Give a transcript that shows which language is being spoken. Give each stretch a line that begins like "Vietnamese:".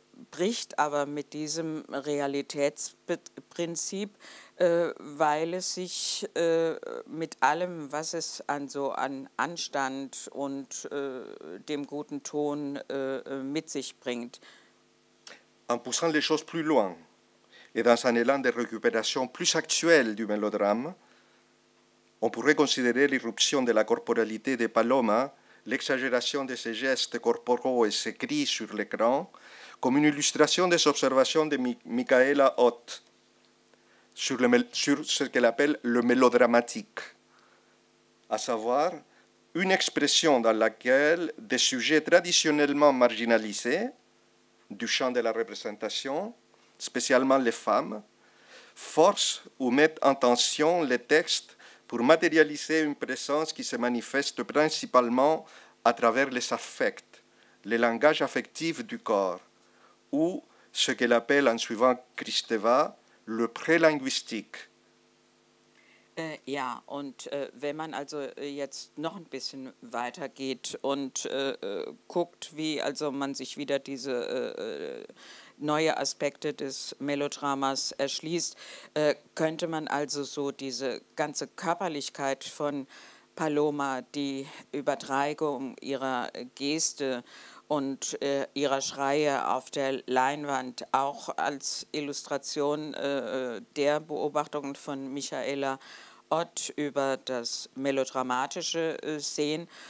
German: bricht aber mit diesem Realitätsprinzip, weil es sich mit allem, was es an so an Anstand und dem guten Ton mit sich bringt.
French: En poussant les choses plus loin et dans un élan de récupération plus actuel du mélodrame, on pourrait considérer l'irruption de la corporalité de Paloma, l'exagération de ses gestes corporaux et ses cris sur l'écran, comme une illustration des observations de Michaela Ott sur ce qu'elle appelle le mélodramatique, à savoir une expression dans laquelle des sujets traditionnellement marginalisés du champ de la représentation, spécialement les femmes, forcent ou mettent en tension les textes pour matérialiser une présence qui se manifeste principalement à travers les affects, les langages affectifs du corps, ou ce qu'elle appelle, en suivant Kristeva, le prélinguistique.
German: Ja, und wenn man also jetzt noch ein bisschen weiter geht und guckt, wie also man sich wieder diese neue Aspekte des Melodramas erschließt, könnte man also so diese ganze Körperlichkeit von Paloma, die Übertreibung ihrer Geste und ihrer Schreie auf der Leinwand auch als Illustration der Beobachtungen von Michaela Ott über das Melodramatische sehen.